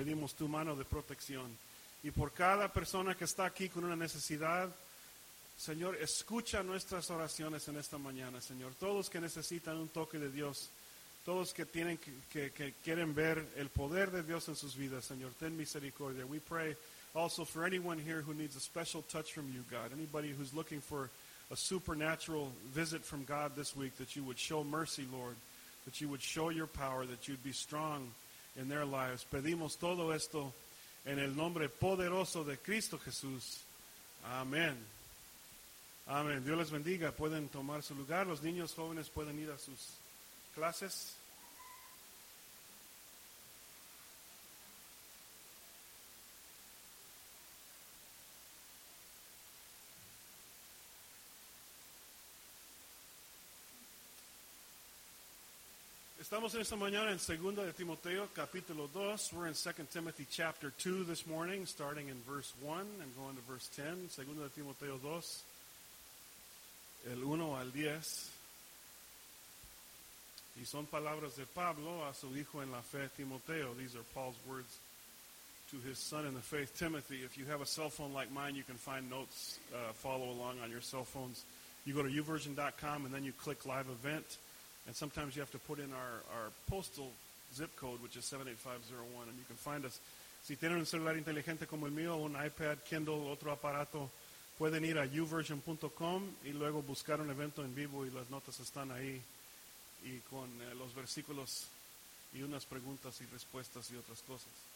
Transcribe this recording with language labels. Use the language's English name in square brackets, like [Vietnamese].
[Spanish] Pedimos tu mano de protección. Y por cada persona que está aquí con una necesidad, Señor, escucha nuestras oraciones en esta mañana, Señor. Todos que necesitan un toque de Dios, todos que tienen que quieren ver el poder de Dios en sus vidas, Señor, ten misericordia. [English] We pray also for anyone here who needs a special touch from you, God. Anybody who's looking for a supernatural visit from God this week, that you would show mercy, Lord, that you would show your power, that you'd be strong in their lives. [Spanish] Pedimos todo esto en el nombre poderoso de Cristo Jesús. Amén. Amén. Dios les bendiga. Pueden tomar su lugar. Los niños jóvenes pueden ir a sus clases. Estamos en esta mañana en 2 de Timoteo, capítulo 2. [English] We're in 2 Timothy chapter 2 this morning, starting in verse 1 and going to verse 10. [Spanish] 2 de Timoteo 2. El 1 al 10, y son palabras de Pablo a su hijo en la fe, Timoteo. [English] These are Paul's words to his son in the faith, Timothy. If you have a cell phone like mine, you can find notes, follow along on your cell phones. You go to uversion.com, and then you click live event, and sometimes you have to put in our postal zip code, which is 78501, and you can find us. [Spanish] Si tienen un celular inteligente como el mío, un iPad, Kindle, otro aparato, pueden ir a uversion.com y luego buscar un evento en vivo y las notas están ahí y con los versículos y unas preguntas y respuestas y otras cosas.